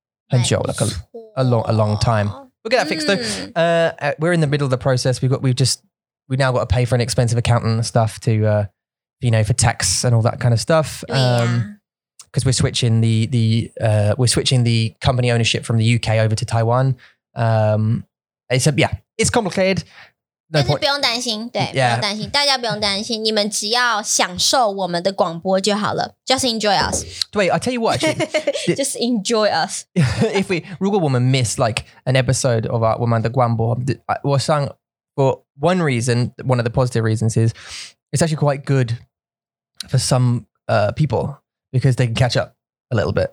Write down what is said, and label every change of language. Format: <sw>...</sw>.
<zh>很久,</zh> <en>like a long time. We'll get that fixed though. We're in the middle of the process. We've now got to pay for an expensive accountant and stuff to, you know, for tax and all that kind of stuff. Because we're switching the company ownership from the UK over to Taiwan. It's complicated. No point.</en> <zh>但是不用担心，对，不用担心，大家不用担心，你们只要享受我们的广播就好了。</zh> <en>Just enjoy us. Wait, I'll tell you what, actually. Just enjoy us. If we,</en> <zh>如果我们</zh> <en>miss like an episode of our</en> <zh>我们的广播，我想,</zh> <en>for one reason, one of the positive reasons is, it's actually quite good for some people because they can catch up a little bit.</en>